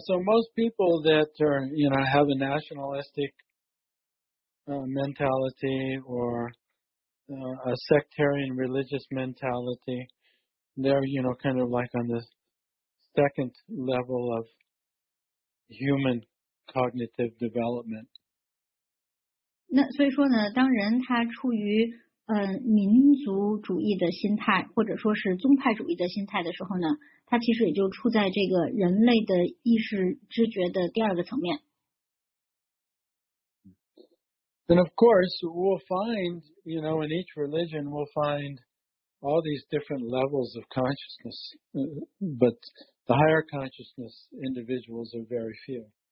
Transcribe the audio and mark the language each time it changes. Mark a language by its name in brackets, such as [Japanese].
[English] so most people that are, you know, have a nationalistic mentality or a sectarian religious mentality, they're, you know, kind of like on the second level of human cognitive development. [Chinese] 那所以说呢，当人他处于民族主义的心态，或者说是宗派主义的心态的时候呢，他其实也就处在这个人类的意识知觉的第二个层面。 [English] And of course, we'll find, you know, in each religion, we'll find all these different levels of consciousness, but the higher consciousness individuals are very few.